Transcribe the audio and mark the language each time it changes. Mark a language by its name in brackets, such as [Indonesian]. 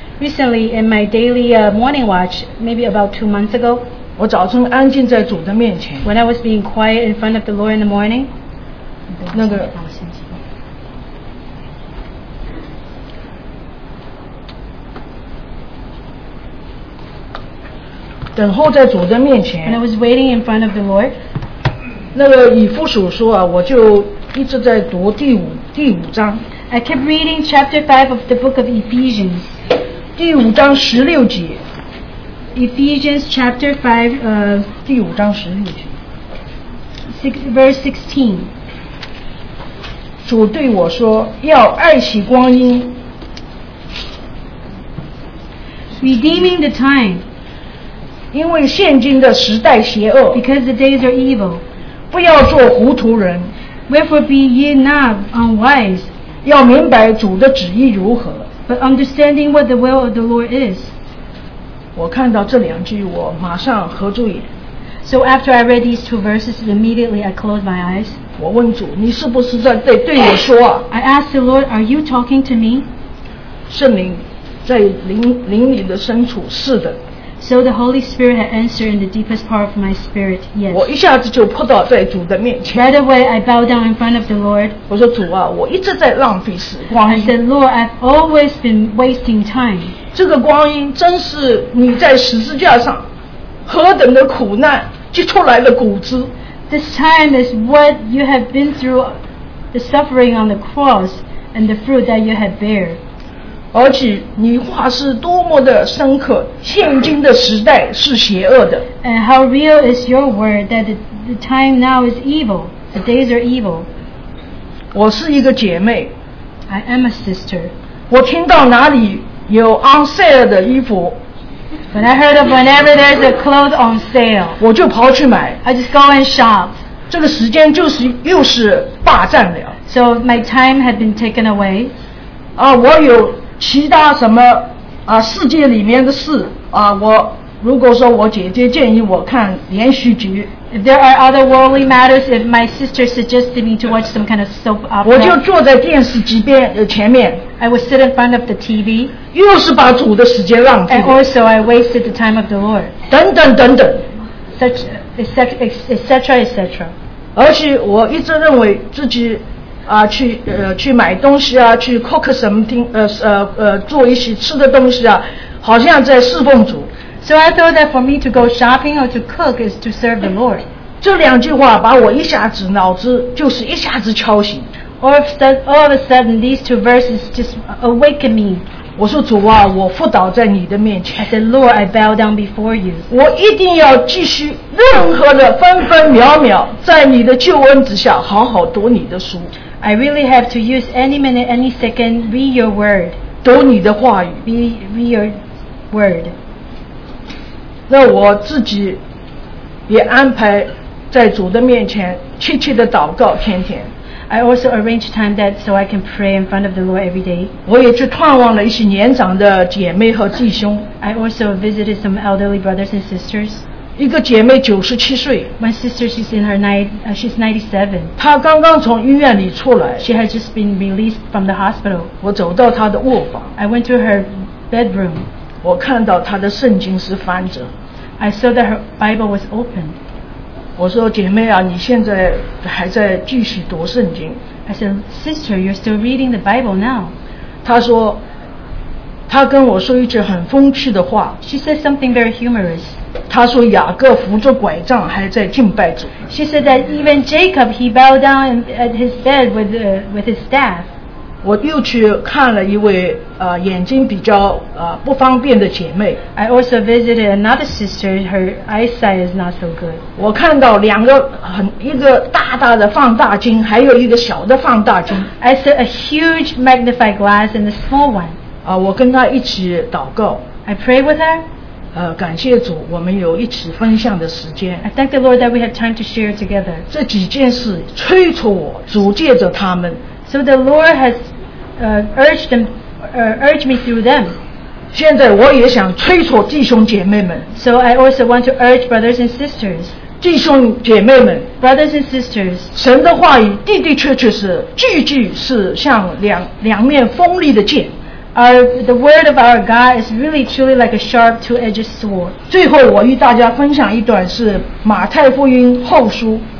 [English] Recently in my daily morning watch, maybe about 2 months ago. [Chinese] 我早晨安静在主的面前。 [English] When I was being quiet in front of the Lord in the morning. [Chinese] 那个。等候在主的面前。 [English] When I was waiting in front of the Lord. [Chinese] 那个以弗所书啊，我就一直在读第五章。 [English] I kept reading chapter 5 of the book of Ephesians. [Chinese] 第五章十六节。 [English] Ephesians chapter 5, [Chinese] 第五章十六节。 [English] Verse 16. [Chinese] 主对我说，要爱惜光阴。 [English] Redeeming the time. [Chinese] 因为现今的时代邪恶。 [English] Because the days are evil. [Chinese] 不要做糊涂人。 [English] Wherefore be ye not unwise. [Chinese] 要明白主的旨意如何。 [English] But understanding what the will of the Lord is. [Chinese] 我看到这两句，我马上合住眼。 [English] So after I read these two verses, immediately I closed my eyes. [Chinese] 我问主，你是不是在对我说啊？ [English] I asked the Lord, are you talking to me? [Chinese] 圣灵在灵里的深处，是的。 [English] So the Holy Spirit had answered in the deepest part of my spirit, yes. [Chinese] 我一下子就扑倒在主的面前。 [English] Right away, I bowed down in front of the Lord. [Chinese] 我说主啊，我一直在浪费时光。 [English] I said, Lord, I've always been wasting time. [Chinese] 这个光阴真是你在十字架上何等的苦难结出来的果子。 [English] This time is what you have been through, the suffering on the cross and the fruit that you have bear. [Chinese] 而且你话是多么的深刻，现今的时代是邪恶的。 [English] And how real is your word that the time now is evil, the days are evil. [Chinese] 我是一个姐妹。 [English] I am a sister. [Chinese] 我听到哪里有 [English] on sale [Chinese] 的衣服。 [English] But I heard of whenever there's a clothes on sale, [Chinese] 我就跑去买。 [English] I just go and shop. [Chinese] 这个时间就是又是霸占了。 [English] So my time had been taken away. [Chinese] 啊，我有其他什么啊世界里面的事啊？我如果说我姐姐建议我看连续剧 [English] ，If there are other worldly matters, if my sister suggested me to watch some kind of soap opera, [Chinese] 我就坐在电视机边前面。 [English] I would sit in front of the TV. [Chinese] 又是把主的时间浪费。 [English] And also, I wasted the time of the Lord. [Chinese] 等等等等 [English] ，etc. [Chinese] 而且我一直认为自己。去买东西啊，去 cook 什么听做一些吃的东西啊，好像在侍奉主。 [English] So I thought that for me to go shopping or to cook is to serve the Lord. [Chinese] 这两句话把我一下子脑子就是一下子敲醒。 [English] Or all of a sudden these two verses just awaken me. [Chinese] 我说主啊，我伏倒在你的面前。 [English] I said, Lord, I bow down before you. [Chinese] 我一定要继续任何的分分秒秒，在你的救恩之下，好好读你的书。 [English] I really have to use any minute, any second, read your word. [Chinese] 读你的话语。 [English] Read your word. [Chinese] 那我自己也安排在主的面前切切的祷告，天天。 [English] I also arrange time that so I can pray in front of the Lord every day. [Chinese] 我也去探望了一些年长的姐妹和弟兄。 [English] I also visited some elderly brothers and sisters. [Chinese] 一个姐妹97岁。 [English] My sister, she's in her she's 97. [Chinese] 她刚刚从医院里出来。 [English] She had just been released from the hospital. [Chinese] 我走到她的卧房。 [English] I went to her bedroom. [Chinese] 我看到她的圣经是翻着。 [English] I saw that her Bible was open. [Chinese] 我说姐妹啊，你现在还在继续读圣经。 [English] I said, sister, you're still reading the Bible now. [Chinese] 她说，她跟我说一句很风趣的话。 [English] She said something very humorous. [Chinese] 她说雅各扶着拐杖还在敬拜主。 [English] She said that even Jacob he bowed down at his bed with his staff. [Chinese] 我又去看了一位眼睛比较不方便的姐妹。 [English] I also visited another sister. Her eyesight is not so good. [Chinese] 我看到两个一个大大的放大镜，还有一个小的放大镜。 [English] I saw a huge magnified glass and a small one. [Chinese] 我跟她一起祷告。 [English] I pray with her. [Chinese] 感谢主，我们有一起分享的时间。 [English] I thank the Lord that we have time to share together. [Chinese] 这几件事催促我，主借着他们。 [English] So the Lord has urged me through them. [Chinese] 现在我也想催促弟兄姐妹们。 [English] So I also want to urge brothers and sisters. [Chinese] 弟兄姐妹们。 [English] Brothers and sisters. [Chinese] 神的话语的的确确是句句是像两面锋利的剑。 [English] The word of our God is really truly like a sharp two-edged sword. [Chinese] 最后我与大家分享一段是马太福音后书。